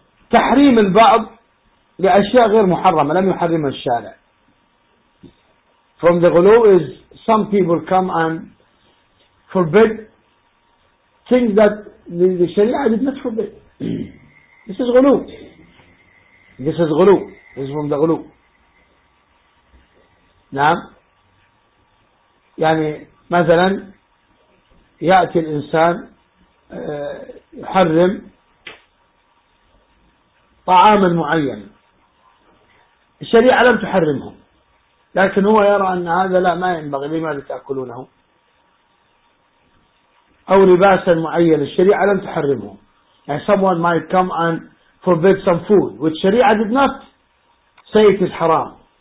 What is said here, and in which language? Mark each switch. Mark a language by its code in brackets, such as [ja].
[ar] تحريم البعض لأشياء غير محرمة لم يحرم الشارع. [en] From the glow is some people come and forbid things that the Sharia did not forbid. This is غلو. This is غلو. This is from the غلو. نعم. [ar] يعني مثلا يأتي الإنسان يحرم طعاما معينا الشريعة لم تحرمه، لكن هو يرى أن هذا لا ما ينبغي، لماذا تأكلونه؟ أو لباسا معينا الشريعة لم تحرمه. [en] يعني someone might come and forbid some food which الشريعة did not say it is حرام.